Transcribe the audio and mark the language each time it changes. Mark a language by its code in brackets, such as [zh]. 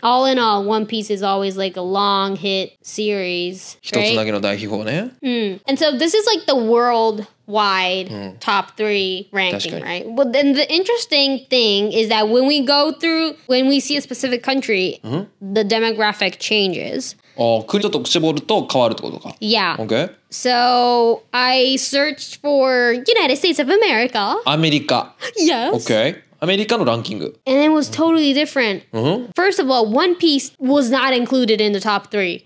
[en] All in all, One Piece is always like a long hit series. [ja] 一つだけの大秘宝ね。うん。 [en] And so this is like the worldwide top three ranking, right? Well, then the interesting thing is that when we go through, when we see a specific country, the demographic changes. [ja] ああ、国ちょっと絞ると変わるってことか。 [en] Yeah. Okay. So I searched for United States of America. [ja] アメリカ。 [en] Yes. Okay. [ja] アメリカのランキング。 [en] And it was totally different.、First of all, One Piece was not included in the top three.